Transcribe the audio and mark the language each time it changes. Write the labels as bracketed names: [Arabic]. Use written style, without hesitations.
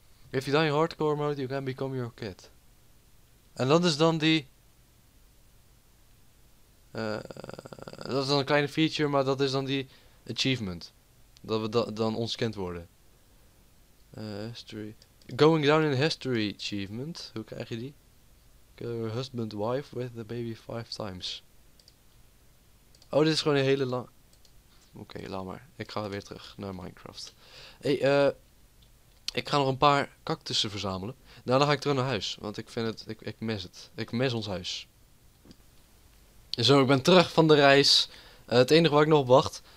[English] If you die in hardcore mode, you can become your kid. [Dutch] En dat is dan die... dat is dan een kleine feature, maar dat is dan die achievement. Dat we dan ons kind worden. History. [English] Going down in history achievement. [Dutch] Hoe krijg je die? [English] Kill your husband wife with the baby 5 times. [Dutch] Oh, dit is gewoon een hele lang... Oké, laat maar. Ik ga weer terug naar Minecraft. Ik ga nog een paar cactussen verzamelen. Daarna ga ik terug naar huis. Want ik vind het... Ik mis het. Ik mis ons huis. Zo, ik ben terug van de reis. Het enige waar ik nog op wacht...